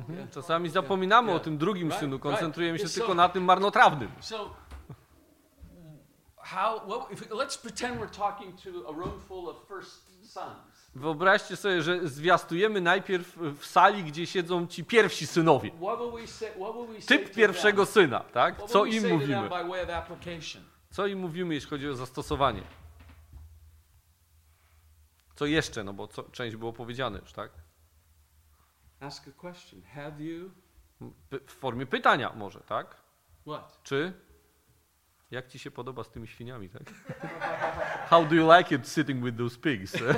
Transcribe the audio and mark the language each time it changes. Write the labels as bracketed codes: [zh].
[pl] Czasami zapominamy o tym drugim synu, koncentrujemy się tylko na tym marnotrawnym. [en] So, how, well, if, let's pretend we're talking to a room full of first sons. [pl] Wyobraźcie sobie, że zwiastujemy najpierw w sali, gdzie siedzą ci pierwsi synowie. Typ pierwszego syna, tak? Co im mówimy? Co im mówimy, jeśli chodzi o zastosowanie? Co jeszcze? No bo co, część było powiedziane już, tak? [en] Ask a question. Have you... [pl] W formie pytania może, tak? [en] What? [pl] Czy? Jak ci się podoba z tymi świniami, tak? [en] How do you like it sitting with those pigs?